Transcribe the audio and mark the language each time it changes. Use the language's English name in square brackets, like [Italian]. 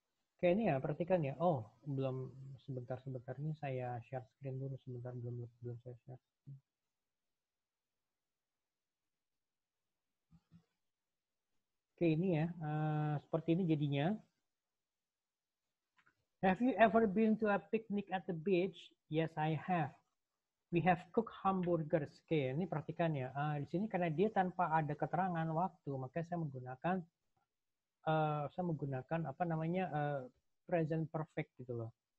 [Indonesian] Oke, ini ya, perhatikan ya. Oh, belum sebentar-sebentar ini saya share screen dulu. Sebentar, belum saya share. Oke, ini ya, seperti ini jadinya. [English] Have you ever been to a picnic at the beach? Yes, I have. We have cooked hamburgers. [Indonesian] Oke, ini perhatikan ya. Di sini karena dia tanpa ada keterangan waktu, maka saya menggunakan apa namanya present perfect gitu loh.